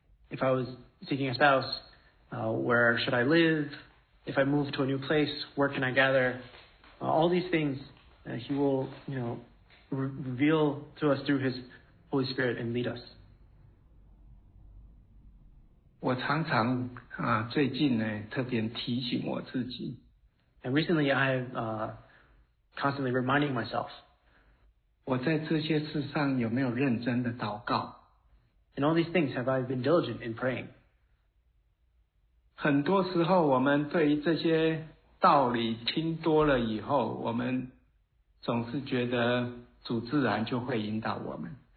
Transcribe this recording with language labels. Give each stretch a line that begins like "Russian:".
English: If I was seeking a spouse, where should I live? If I move to a new place, where can I gather? All these things, He will, you know, reveal to us through His Holy Spirit and lead us.
Chinese: 我常常啊，最近呢，特别提醒我自己。
English: And recently, I'm constantly reminding myself.
Chinese: 我在这些事上有没有认真的祷告？
English: In all these things, have I been diligent in praying?
Chinese: 很多时候，我们对于这些道理听多了以后，我们总是觉得主自然就会引导我们。